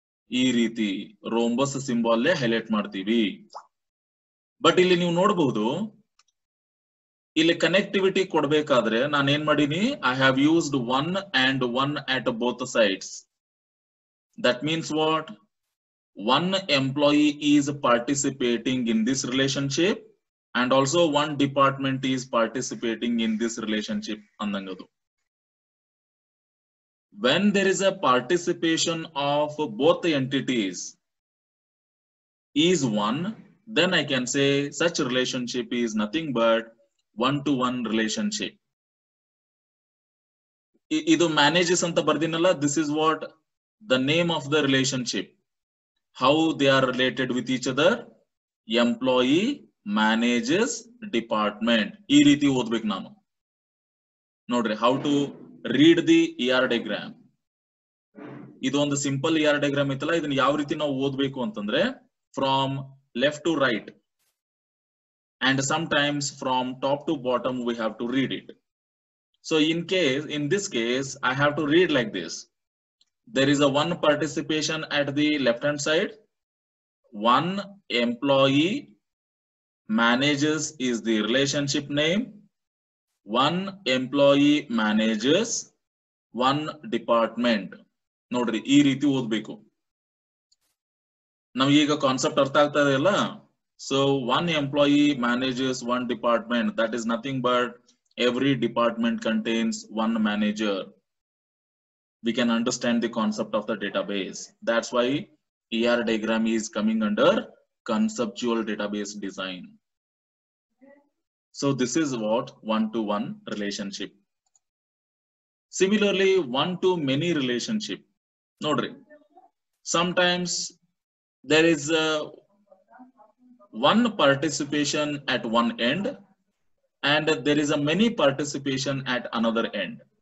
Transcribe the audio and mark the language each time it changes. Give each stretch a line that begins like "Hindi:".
Kannada: ಈ ರೀತಿ rhombus ಸಿಂಬಾಲ್ಲೇ highlight ಮಾಡ್ತೀವಿ. ಬಟ್ ಇಲ್ಲಿ ನೀವು ನೋಡಬಹುದು, ಇಲ್ಲಿ ಕನೆಕ್ಟಿವಿಟಿ ಕೊಡಬೇಕಾದ್ರೆ ನಾನೇನ್ ಮಾಡೀನಿ,
English: I have used one and one at both sides. That means what? One employee is participating in this relationship and also one department is participating in this relationship
Kannada: ಅಂದಂಗದು.
English: When there is a participation of both the entities is one, then I can say such relationship is nothing but one-to-one relationship.
Kannada: Idu manages anta bardinalla,
English: this is what the name of the relationship, how they are related with each other. Employee manages department.
Kannada: Ee reethi odbeku nanu nodre,
English: how to read the ER diagram.
Kannada: ಇದೊಂದು simple ER diagram ಇತ್ತಲ್ಲ, ಇದನ್ನ ಯಾವ ರೀತಿ ನಾವು ಓದ್ಬೇಕು ಅಂತಂದ್ರೆ,
English: From left to right and sometimes from top to bottom we have to read it. So in case, in this case I have to read like this. There is a one participation at the left hand side, one employee managers is the relationship name, one employee managers one department.
Kannada: ನೋಡ್ರಿ ಈ ರೀತಿ ಓದ್ಬೇಕು ನಮ್ಗೀಗ concept ಅರ್ಥ ಆಗ್ತಾ ಇದೆಯಲ್ಲ.
English: So one employee managers one department, that is nothing but every department contains one manager. We can understand the concept of the database. That's why ER diagram is coming under conceptual database design. So this is what one-to-one relationship. Similarly, one-to-many relationship. Notary. Sometimes there is one participation at one end and there is a many participation at another end.